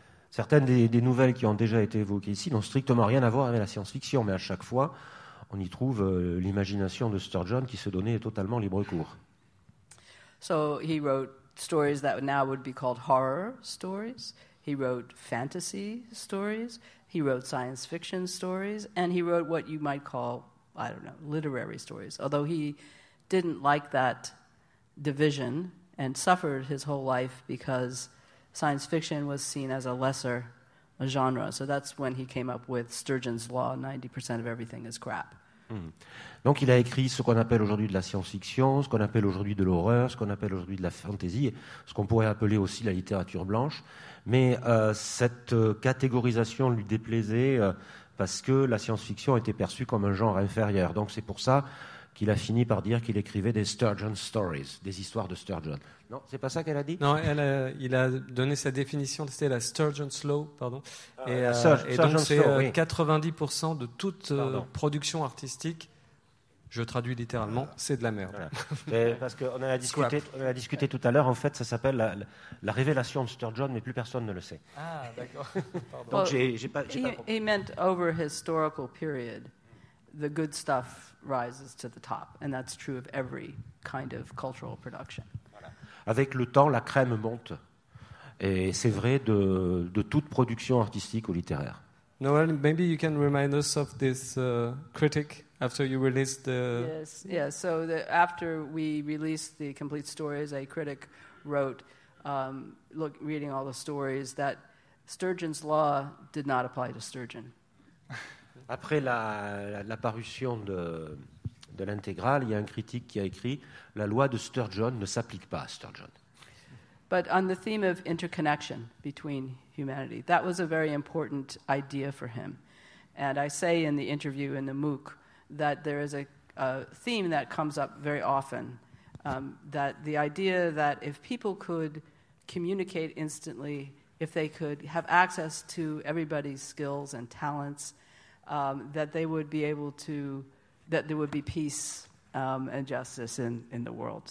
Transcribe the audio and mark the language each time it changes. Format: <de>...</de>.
<fr>Certaines des nouvelles qui ont déjà été évoquées ici n'ont strictement rien à voir avec la science-fiction, mais à chaque fois, on y trouve l'imagination de Sturgeon qui se donnait totalement libre cours.</fr> <en>So he wrote stories that now would be called horror stories. He wrote fantasy stories. He wrote science fiction stories, and he wrote what you might call, I don't know, literary stories. Although he didn't like that division and suffered his whole life because science fiction was seen as a lesser genre. So that's when he came up with Sturgeon's Law, 90% of everything is crap.</en> <fr>Donc il a écrit ce qu'on appelle aujourd'hui de la science-fiction, ce qu'on appelle aujourd'hui de l'horreur, ce qu'on appelle aujourd'hui de la fantasy, ce qu'on pourrait appeler aussi la littérature blanche. Mais cette catégorisation lui déplaisait parce que la science-fiction était perçue comme un genre inférieur. Donc c'est pour ça qu'il a fini par dire qu'il écrivait des Sturgeon Stories, des histoires de Sturgeon. Non, c'est pas ça qu'elle a dit? Non, il a donné sa définition, c'était la Sturgeon's Law, pardon. Et donc c'est 90% de toute production artistique, je traduis littéralement, c'est de la merde. Voilà. Parce qu'on en a discuté, tout à l'heure, en fait, ça s'appelle la révélation de Sturgeon, mais plus personne ne le sait. Ah, d'accord. Pardon. Donc j'ai pas compris.</fr> <en>He meant over historical period, the good stuff rises to the top, and that's true of every kind of cultural production.</en> <fr>Avec le temps, la crème monte, et c'est vrai de toute production artistique ou littéraire.</fr> <en>Noel, maybe you can remind us of this critic after you released the. So after we released the complete stories, a critic wrote, reading all the stories, that Sturgeon's Law did not apply to Sturgeon.</en> <fr>Après la parution de l'intégrale, il y a un critique qui a écrit « La loi de Sturgeon ne s'applique pas à Sturgeon ».</fr> <en>But on the theme of interconnection between humanity, that was a very important idea for him. And I say in the interview in the MOOC that there is a theme that comes up very often, that the idea that if people could communicate instantly, if they could have access to everybody's skills and talents, that there would be peace and justice in the world.</en>